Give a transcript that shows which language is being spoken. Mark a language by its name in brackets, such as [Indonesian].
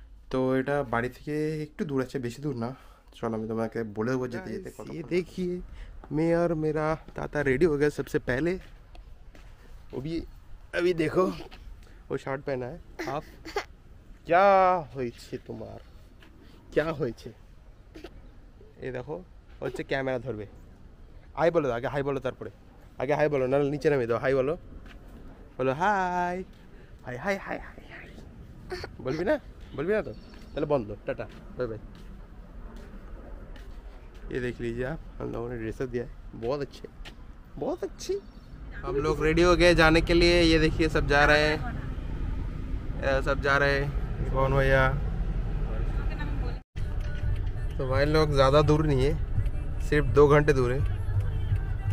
[Bangla] তো এটা বাড়ি থেকে একটু দূর আছে, বেশি দূর না। চলো আমি তোমাকে বলে দেবো যেতে যেতে [Hindi] गाइस ये [Bangla] কতক্ষণ লাগবে। [Hindi] देखिए, मैं और मेरा ताता रेडी हो गया सबसे पहले। वो भी अभी देखो, वो शर्ट पहना है हाफ। [Bangla] क्या होई छे तुम्हार, क्या होई छे? [Hindi] ये देखो, [Bangla] হচ্ছে ক্যামেরা ধরবে। হাই বলো, আগে হাই বলো, তারপরে আগে হাই বলো, নাহলে নিচে নামিয়ে দাও। হাই বলো, বলো high high high high high high বলবি না, বলবি না তো, তাহলে বন্ধ, টাটা, বাই বাই। [Hindi] ये देख लीजिए आप, हम लोगों ने ड्रेसअप दिया है, बहुत अच्छे, बहुत अच्छी। हम लोग रेडी हो गए जाने के लिए। ये देखिए सब जा रहे हैं, सब जा रहे हैं। कौन भैया? तो भाई लोग ज़्यादा दूर नहीं है, सिर्फ 2 घंटे दूर है।